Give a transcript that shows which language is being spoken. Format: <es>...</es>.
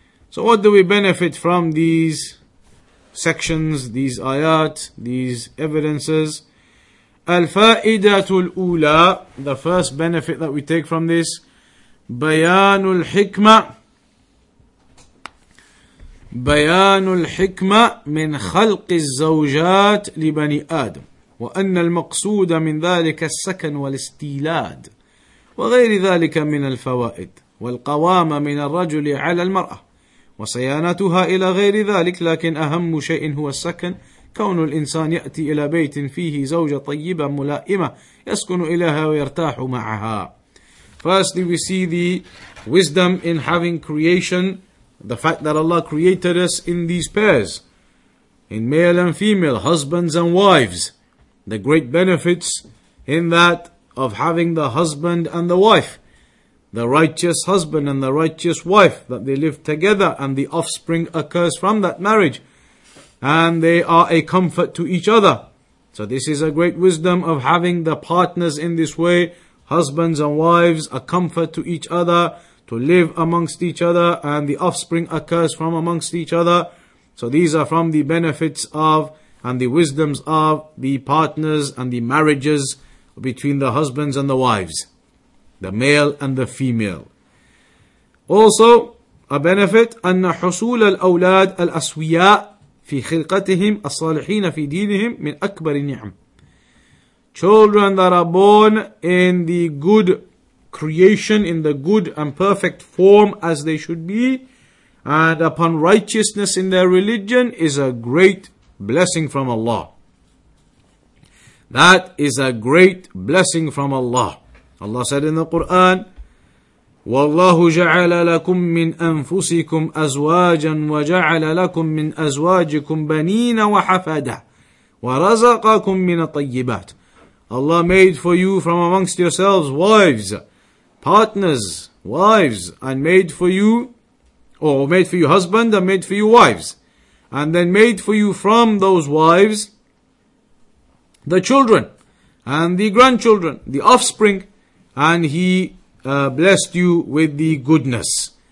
<en>So, what do we benefit from these sections, these ayat, these evidences?</en> <ar>Al-fa'idatu al-ula,</ar> <en>the first benefit that we take from this,</en> <ar>bayanu al-hikmah. بيان الحكمة من خلق الزوجات لبني آدم وأن المقصود من ذلك السكن والاستيلاد وغير ذلك من الفوائد والقوام من الرجل على المرأة وصيانتها إلى غير ذلك لكن أهم شيء هو السكن كون الإنسان يأتي إلى بيت فيه زوجة طيبة ملائمة يسكن إليها ويرتاح معها.</ar> <en>Firstly, we see the wisdom in having creation. The fact that Allah created us in these pairs, in male and female, husbands and wives, the great benefits in that of having the husband and the wife, the righteous husband and the righteous wife, that they live together and the offspring occurs from that marriage, and they are a comfort to each other. So this is a great wisdom of having the partners in this way, husbands and wives, a comfort to each other, to live amongst each other, and the offspring occurs from amongst each other. So these are from the benefits of and the wisdoms of the partners and the marriages between the husbands and the wives, the male and the female. Also, a benefit,</en> <ar>أَنَّ حُصُولَ الْأَوْلَادِ الْأَسْوِيَاءِ فِي خِلْقَتِهِمْ الصَّالِحِينَ فِي دِينِهِمْ مِنْ أَكْبَرِ النِّعْمِ.</ar> <en>children that are born in the good creation, in the good and perfect form as they should be, and upon righteousness in their religion, is a great blessing from Allah. That is a great blessing from Allah. Allah said in the Quran,</en> <ar>وَاللَّهُ جَعَلَ لَكُم مِّنْ أَنفُسِكُمْ أَزْوَاجًا وَجَعَلَ لَكُم مِّنْ أَزْوَاجِكُمْ بَنِينَ وَحَفَدًا وَرَزَقَكُم مِّنَ الطَّيِّبَاتِ.</ar> <en>Allah made for you from amongst yourselves wives, partners, wives, and made for you, or made for you husband, and made for you wives. And then made for you from those wives, the children, and the grandchildren, the offspring, and he blessed you with the goodness.</en>